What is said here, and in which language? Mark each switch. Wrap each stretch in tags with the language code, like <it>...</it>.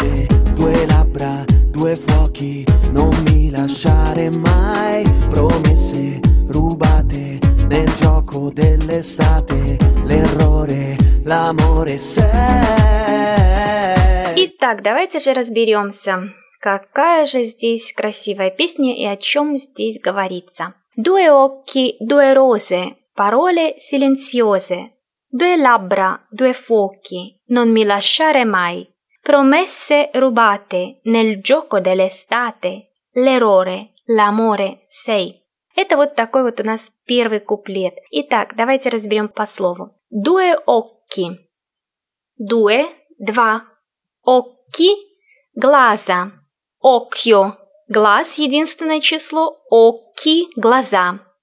<it>Due labbra, due fuochi, non mi lasciare mai. Promesse rubate nel gioco dell'estate, l'errore, l'amore sei.</it> <ru>Итак, давайте же разберемся, какая же здесь красивая песня и о чем здесь говорится.</ru> <it>Due occhi, due rose, parole silenziose. Due labbra, due fuochi, non mi lasciare mai. Promesse rubate nel gioco dell'estate, l'errore, l'amore sei.</it> <ru>Это вот такой вот у нас первый куплет. Итак, давайте разберем по слову.</ru> <it>Due occhi. Due, два.</it> <ru>Occhi, глаза. Occhio, глаз, единственное число. Occhi, глаза.</ru>